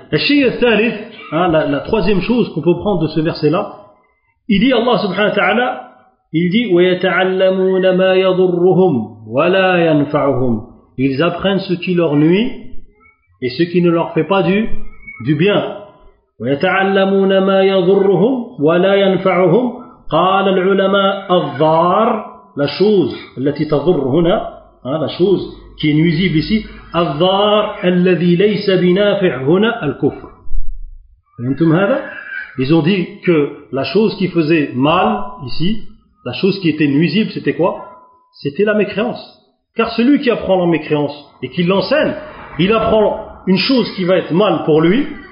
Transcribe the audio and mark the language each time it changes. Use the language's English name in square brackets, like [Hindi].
[Arabic] الشيء الثالث, [French] la troisième chose qu'on peut prendre de ce verset-là, il dit Allah subhanahu wa ta'ala, il dit [Arabic] وَيَتَعَلَّمُونَ مَا يَضُرُّهُمْ وَلَا يَنْفَعُهُمْ. [French] Ils apprennent ce qui leur nuit et ce qui ne leur fait pas du bien. [Arabic] وَيَتَعَلَّمُونَ مَا يَضُرُّهُمْ وَلَا يَنْفَعُهُمْ قال العلماء الضار [French] la chose [Arabic] التي تضر هنا [French] hein, la chose qui est nuisible ici [Arabic] الضار الذي ليس بنافع هنا الكفر. فهمتم هذا؟ [French] Ils ont dit que la chose qui faisait mal ici, la chose qui était nuisible, c'était quoi? C'était la mécréance. Car celui qui apprend la mécréance et qui l'enseigne, il apprend une chose qui va être mal pour lui.